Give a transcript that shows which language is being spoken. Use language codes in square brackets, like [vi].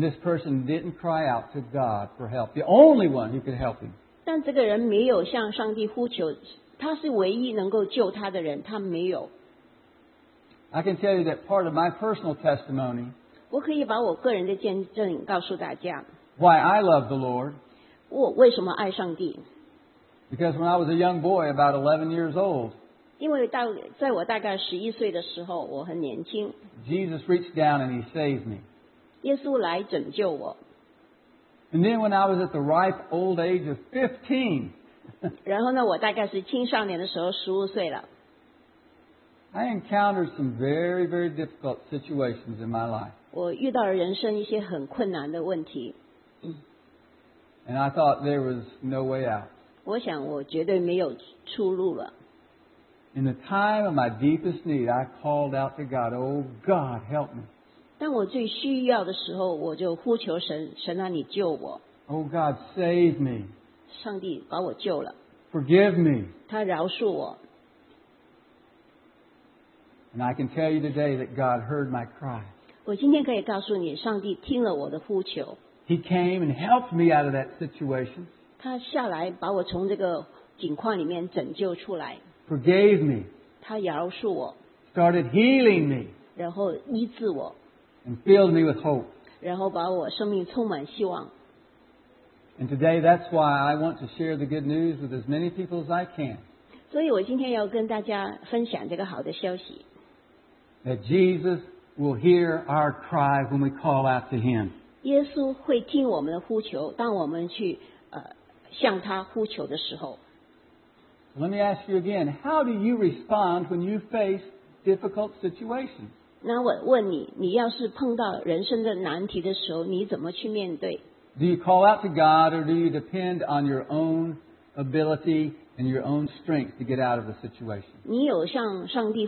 [en] this person didn't cry out to God for help, the only one who could help him. [zh] 但这个人没有向上帝呼求，他是唯一能够救他的人，他没有。 [en] I can tell you that part of my personal testimony. [zh] 我可以把我个人的见证告诉大家。 [en] Why I love the Lord. [zh] 我为什么爱上帝。 [en] Because when I was a young boy, about 11 years old, [zh] 因为在我大概11岁的时候, 我很年轻。 [en] Jesus reached down and he saved me. [zh] 耶稣来拯救我。 [en] And then when I was at the ripe old age of 15, [zh] 然后呢, 我大概是青少年的时候, 15岁了。 [en] I encountered some very, very difficult situations in my life. [zh] 我遇到人生一些很困难的问题。 [en] And I thought there was no way out. [zh] 我想我绝对没有出路了。 [en] In the time of my deepest need, I called out to God, Oh God, help me. [zh] 当我最需要的时候，我就呼求神，神啊，你救我。 [en] Oh God, save me. [zh] 上帝把我救了。 [en] Forgive me. [zh] 他饶恕我。 [en] And I can tell you today that God heard my cry. [zh] 我今天可以告诉你，上帝听了我的呼求。 [en] He came and helped me out of that situation. [zh] 他下来把我从这个境况里面拯救出来。 [en] Forgave me. [zh] 他饶恕我。 [en] Started healing me. [zh] 然后医治我。 [en] And filled me with hope. [zh] 然后把我生命充满希望。 [en] And today that's why I want to share the good news with as many people as I can. [zh] 所以我今天要跟大家分享这个好的消息。 [en] That Jesus will hear our cry when we call out to Him. [zh] 耶稣会听我们的呼求，当我们去向他呼求的时候。 [en] Let me ask you again, how do you respond when you face difficult situations? [zh] 那我问你，你要是碰到人生的难题的时候，你怎么去面对？ [en] Do you call out to God or do you depend on your own ability and your own strength to get out of the situation?